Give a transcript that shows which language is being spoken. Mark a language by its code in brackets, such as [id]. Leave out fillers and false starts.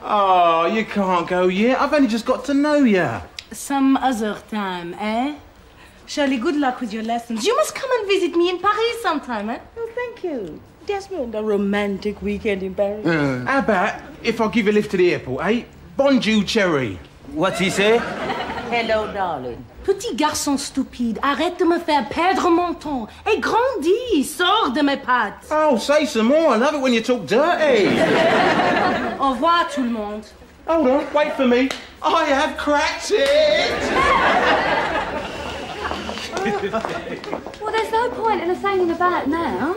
[en] Oh, you can't go yet. I've only just got to know you. Some other time, eh? Shirley, good luck with your lessons. You must come and visit me in Paris sometime, eh? Oh, thank you. Desmond, a romantic weekend in Paris. Mm. How about if I give you a lift to the airport, eh? Bonjour, Cherry. What's he say? Hello, darling. [fr] Petit garçon stupide, arrête de me faire perdre mon temps. Et grandis, sors de mes pattes. [en] Oh, say some more. I love it when you talk dirty. [fr] Au revoir, tout le monde. [en] Hold on, wait for me. I have cracked it. Well, there's no point in us hanging about now.